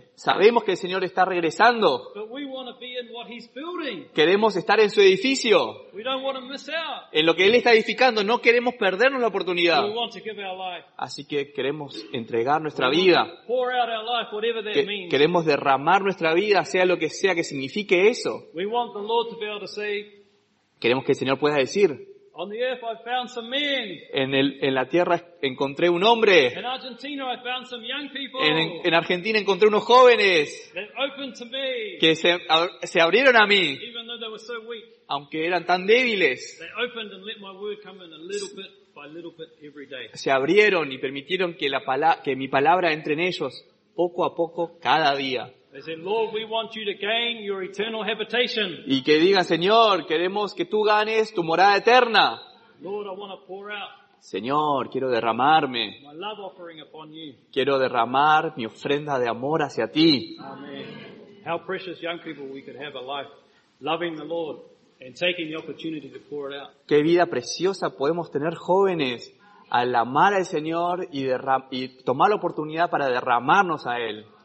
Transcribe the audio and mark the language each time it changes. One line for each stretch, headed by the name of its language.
Spanish: Sabemos que el Señor está regresando.
English: But we want to be in what he's building.
Spanish: Queremos estar en su edificio.
English: We don't want to miss out.
Spanish: En lo que Él está edificando. No queremos perdernos la oportunidad.
English: We want to give our life.
Spanish: Así que queremos entregar nuestra vida.
English: Pour out our life, whatever that means.
Spanish: Queremos derramar nuestra vida, sea lo que sea que signifique eso.
English: We want the Lord to be able to say,
Spanish: queremos que el Señor pueda decir,
English: on the earth I found some men.
Spanish: En la tierra encontré un hombre.
English: In Argentina I found some young people.
Spanish: En Argentina encontré unos jóvenes.
English: That opened to me.
Spanish: Que se abrieron a mí.
English: Even though they were so weak.
Spanish: Aunque eran tan débiles.
English: They opened and let my word come in a little bit by little bit every day.
Spanish: Se abrieron y permitieron que mi palabra entre en ellos poco a poco cada día.
English: They said, Lord, we want you to gain your eternal habitation.
Spanish: Y que digan, Señor, queremos que tú ganes tu morada eterna.
English: Lord, I want to pour out.
Spanish: Señor, quiero derramarme.
English: My love offering upon you.
Spanish: Quiero derramar mi ofrenda de amor hacia ti.
English: Amen. How precious, young people, we could have a life loving the Lord and taking the opportunity to pour it out.
Spanish: Qué vida preciosa podemos tener, jóvenes, al amar al Señor y tomar la oportunidad para derramarnos a Él.